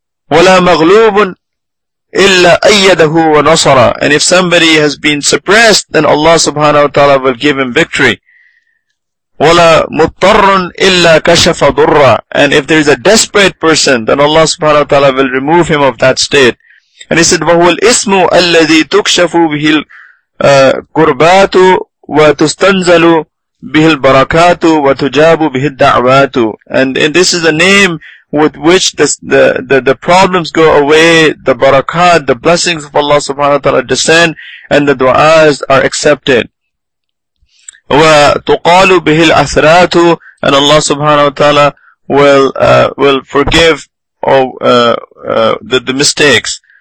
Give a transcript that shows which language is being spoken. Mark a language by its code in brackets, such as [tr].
[ar] وَلَا مَغْلُوبٌ إِلَّا أَيَّدَهُ وَنَصَرًا. [en] And if somebody has been suppressed, then Allah subhanahu wa ta'ala will give him victory. [ar] وَلَا مُضْطَرٌ إِلَّا كَشَفَ ضُرًّا. [en] And if there is a desperate person, then Allah subhanahu wa ta'ala will remove him of that state. And he said, [ar] وَهُوَ الْإِسْمُ الَّذِي تُكْشَفُ بِهِ الْقُرْبَاتُ وَتُسْتَنْزَلُ بِهِ الْبَرَكَاتُ وَتُجَابُ بِهِ الدَّعْوَاتُ. [en] And this is a name with which the problems go away, the barakat, the blessings of Allah subhanahu wa ta'ala descend, and the du'as are accepted. [ar] وَتُقَالُ بِهِ الْأَثْرَاتُ. [en] And Allah subhanahu wa ta'ala will forgive the mistakes.